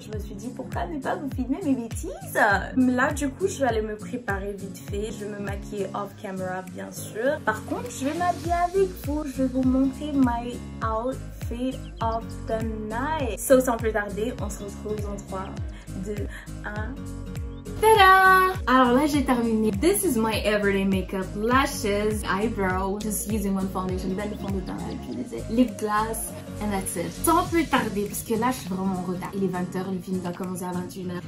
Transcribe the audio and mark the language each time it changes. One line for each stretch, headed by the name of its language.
French: Je me suis dit pourquoi ne pas vous filmer mes bêtises. Là, du coup, je vais aller me préparer vite fait. Je vais me maquiller
English: off camera,
French: bien sûr. Par contre, je vais m'habiller avec vous. Je vais vous montrer
English: my outfit of the night.
French: So, sans plus tarder, on se retrouve dans 3, 2, 1. Ta-da! Alors là j'ai terminé.
English: This is my everyday makeup, lashes, eyebrow, just using one foundation, then the foundation, lip gloss, and that's it.
French: Sans plus tarder, parce que là je suis vraiment en retard. Il est 20h, le film doit commencer à 21h.